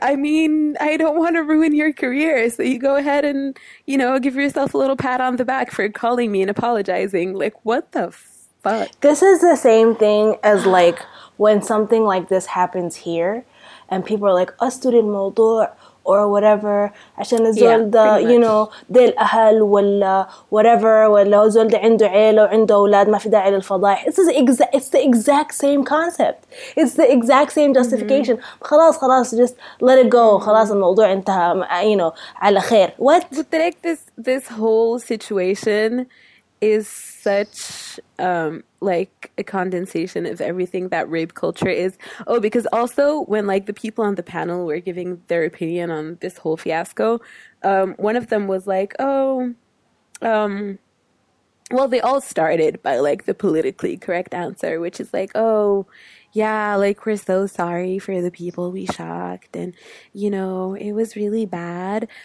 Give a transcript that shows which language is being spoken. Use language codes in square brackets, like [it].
[en] I mean, I don't want to ruin your career. So you go ahead and, you know, give yourself a little pat on the back for calling me and apologizing. Like, what the fuck? This is the same thing as, like, when something like this happens here and people are like, a student moldor. Or whatever, [ar] عشان الزول ده, [en] you know, [ar] ده الأهل ولا [en] whatever, [ar] ولا الزول ده عنده عيلة وعنده أولاد ما في داعي للفضايح. [en] It's the exact same concept. It's the exact same justification. [ar] خلاص خلاص, [en] just let it go. [ar] خلاص الموضوع انتهى, [en] you know, [ar] على خير. [en] What? But like this whole situation is such like a condensation of everything that rape culture is. Oh, because also when like the people on the panel were giving their opinion on this whole fiasco, one of them was like, oh, well, they all started by like the politically correct answer, which is like, oh, yeah, like we're so sorry for the people we shocked and, you know, it was really bad.